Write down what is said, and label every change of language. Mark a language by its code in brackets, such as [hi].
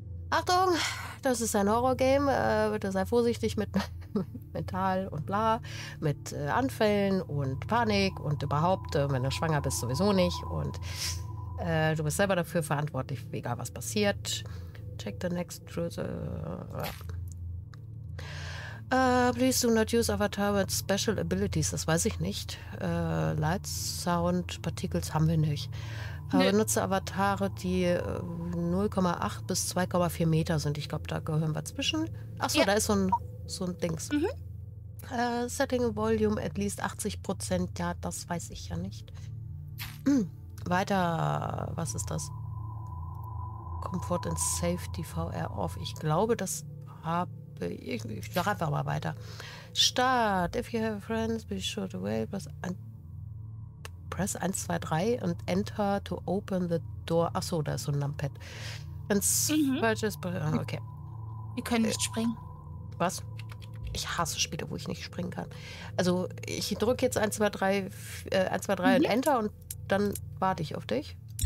[de] Achtung, das ist ein Horrorgame. Bitte sei vorsichtig mit Mental und bla, mit Anfällen und Panik und überhaupt, wenn du schwanger bist, sowieso nicht. Und du bist selber dafür verantwortlich, egal was passiert. [en] Check the next cruise. Please do not use Avatar with special abilities. [de] Das weiß ich nicht. Light, Sound, Particles haben wir nicht. Nö. Benutze Avatare, die 0,8 bis 2,4 Meter sind. Ich glaube, da gehören wir zwischen. Achso, da ist so ein Dings. [en] Setting Volume at least 80%. [de] Ja, das weiß ich ja nicht. Weiter. Was ist das? [en] Comfort and Safety VR off. [de] Ich glaube, das habe. Ich sag einfach mal weiter. Start. [en] If you have friends, be sure to wait. Press 1, 2, 3 und enter to open the door. [de] Achso, da ist so ein Numpad. Wenn's falsch ist, okay. Wir können nicht springen. Was? Ich hasse Spiele, wo ich nicht springen kann. Also, ich drücke jetzt 1, 2, 3, 1, 2, 3 und enter und dann warte ich auf dich.